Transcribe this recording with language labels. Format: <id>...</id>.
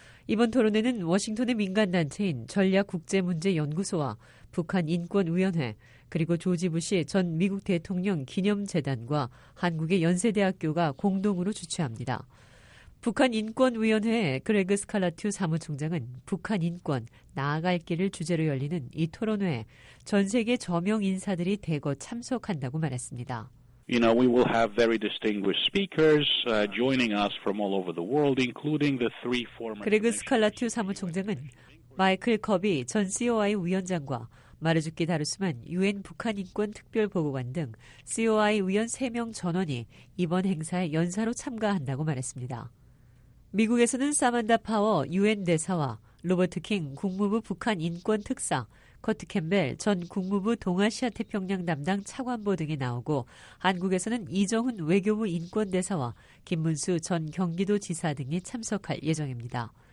<ko>이번 토론회는 워싱턴의 민간단체인 전략국제문제연구소와 북한인권위원회, 그리고 조지 부시 전 미국 대통령 기념재단과 한국의 연세대학교가 공동으로 주최합니다. 북한인권위원회의 그레그 스칼라튜 사무총장은 북한인권, 나아갈 길을 주제로 열리는 이 토론회에 전 세계 저명 인사들이 대거 참석한다고 말했습니다.</ko> <en>You know, we will have very distinguished speakers joining us from all over the world, including the three former.</en> <ko>그레그 스칼라튜 사무총장은 마이클 커비 전 COI 위원장과 마르주키 다루스만 UN 북한인권특별보고관 등 COI 위원 3명 전원이 이번 행사에 연사로 참가한다고 말했습니다. 미국에서는 사만다 파워 UN 대사와 로버트 킹 국무부 북한인권특사, 커트 캠벨 전 국무부 동아시아태평양 담당 차관보 등이 나오고 한국에서는 이정훈 외교부 인권대사와 김문수 전 경기도지사 등이 참석할 예정입니다.</ko>